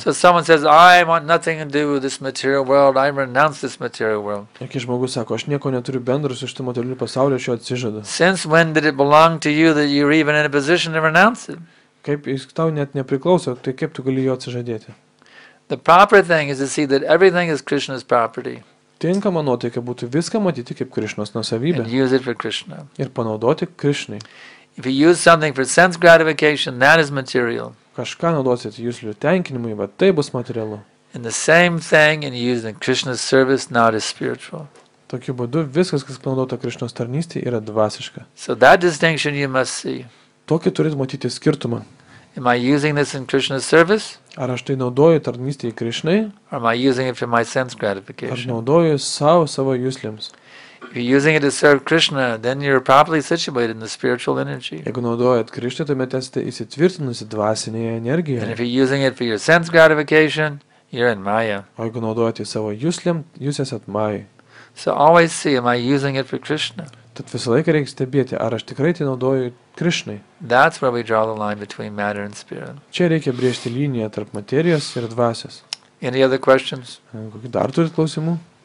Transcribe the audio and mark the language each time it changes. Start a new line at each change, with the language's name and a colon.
English: So someone says, I want nothing to do with this material world, I renounce this material world.
Lithuanian: Taigi žmogus sako, aš nieko neturiu bendro su šitu materialiu pasauliu, aš jo atsižadu.
English: Since when did it belong to you that you're even in a position to renounce it?
Lithuanian: Kaip jis tau net nepriklauso, tai kaip tu gali jo atsižadėti?
English: The proper thing is to see that everything is Krishna's property.
Lithuanian: tinkama nuotaika būtų viską matyti kaip Krišnos nusavybę. Ir panaudoti Krišnai.
English: If you use something for sense gratification, that is material.
Lithuanian: Kažką naudosite jūslių tenkinimui, bet tai bus materialu.
English: And the same thing and use in Krishna's service, not as spiritual.
Lithuanian: Tokiu būdu viskas, kas panaudota Krišnos tarnystėje, yra dvasiška.
English: So that distinction you must see.
Lithuanian: Tokį turite matyti skirtumą.
English: Am I using this in Krishna's service?
Lithuanian: Ar aš tai naudoju tarnystėje Krišnai?
English: Or am I using it for my sense gratification?
Lithuanian: Ar naudoju savo jūslėms?
English: If you're using it to serve Krishna, then you're properly situated in the spiritual energy.
Lithuanian: Jeigu naudojat Krishna, tuomet esate įsitvirtinusi dvasinėje energijoje.
English: And if you're using it for your sense gratification, you're in Maya.
Lithuanian: O jeigu naudojat savo jūslėm, jūs esat Maya.
English: So always see, am I using it for Krishna?
Lithuanian: Tad visą laiką reikia stebėti, ar aš tikrai tai naudoju Krishnai.
English: That's where we draw the line between matter and spirit.
Lithuanian: Čia reikia brėžti liniją tarp materijos ir dvasios.
English: Any other questions?
Lithuanian: Kokį dar turit klausimų?